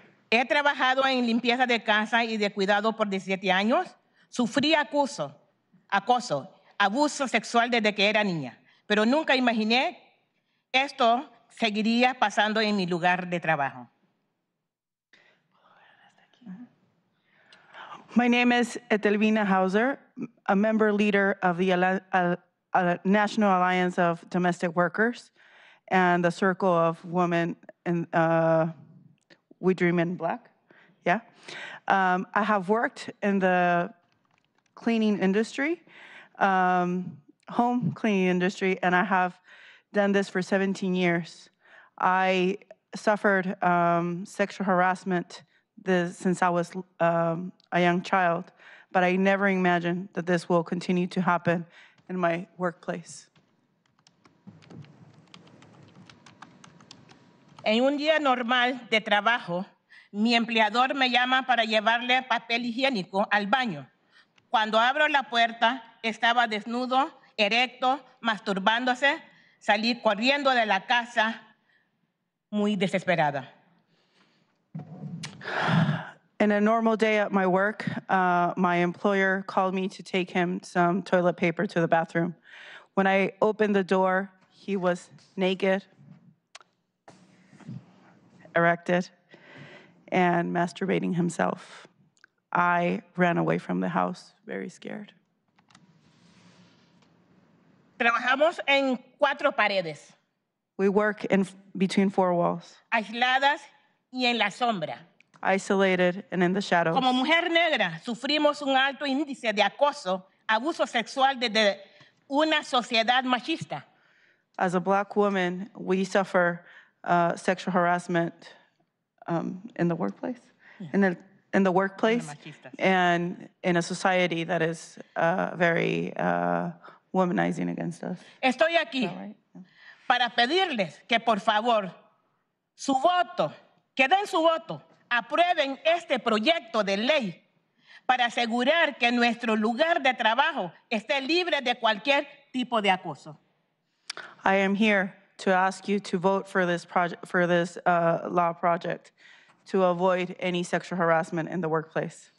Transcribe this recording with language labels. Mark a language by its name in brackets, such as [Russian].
[Spanish] He trabajado en limpieza de casa y de cuidado por 17 años. Sufrí acoso, abuso sexual desde que era niña, pero nunca imaginé esto seguiría pasando en mi lugar de trabajo. [English] My name is Etelvina Hauser, a member leader of the National Alliance of Domestic Workers and the Circle of Women in We Dream in Black, yeah. I have worked in the cleaning industry, home cleaning industry, and I have done this for 17 years. I suffered sexual harassment since I was a young child, but I never imagined that this will continue to happen in my workplace. [Spanish] En un día normal de trabajo, mi empleador me llama para llevarle papel higiénico al baño. Cuando abro la puerta, estaba desnudo, erecto, masturbándose. Salí corriendo de la casa, muy desesperada. [English] In a normal day at my work, my employer called me to take him some toilet paper to the bathroom. When I opened the door, he was naked, erected, and masturbating himself. I ran away from the house, very scared. [Spanish] Trabajamos en cuatro paredes. [English] We work in between four walls. [Spanish] Aisladas y en la sombra. [English] Isolated and in the shadows. [Spanish] Como mujer negra, sufrimos un alto índice de acoso, abuso sexual desde una sociedad machista. [English] As a black woman, we suffer sexual harassment in the workplace, in the workplace, and in a society that is very womanizing against us. [Spanish] Estoy aquí para pedirles que por favor su voto, que den su voto, aprueben este proyecto de ley para asegurar que nuestro lugar de trabajo esté libre de cualquier tipo de acoso. [English] I am here to ask you to vote for this project, for this law project, to avoid any sexual harassment in the workplace.